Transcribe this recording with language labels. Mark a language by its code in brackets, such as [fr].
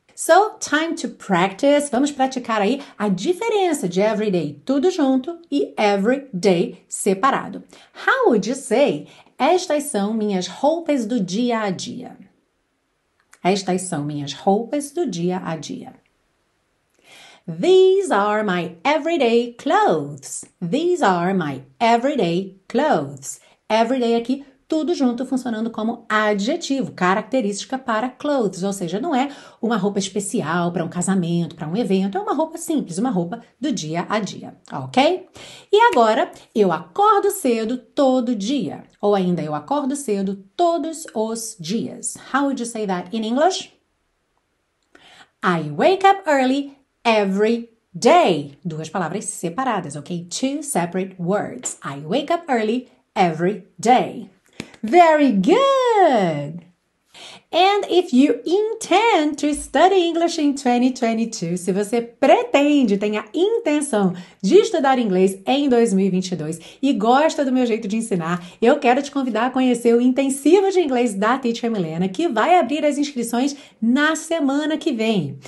[en] So, time to practice, [pt] vamos praticar aí a diferença de every day tudo junto e every day separado. [en] How would you say, [pt] estas são minhas roupas do dia a dia? Estas são minhas roupas do dia a dia. [en] These are my everyday clothes. These are my everyday clothes. [pt] Everyday aqui, tudo junto, funcionando como adjetivo, característica para clothes. Ou seja, não é uma roupa especial para um casamento, para um evento. É uma roupa simples, uma roupa do dia a dia, ok? E agora, eu acordo cedo todo dia. Ou ainda, eu acordo cedo todos os dias. [en] How would you say that in English? I wake up early every day. [pt] Duas palavras separadas, ok? [en] Two separate words. I wake up early every day. Very good! And if you intend to study English in 2022, [pt] se você pretende, tem a intenção de estudar inglês em 2022 e gosta do meu jeito de ensinar, eu quero te convidar a conhecer o Intensivo de Inglês da Teacher Milena, que vai abrir as inscrições na semana que vem.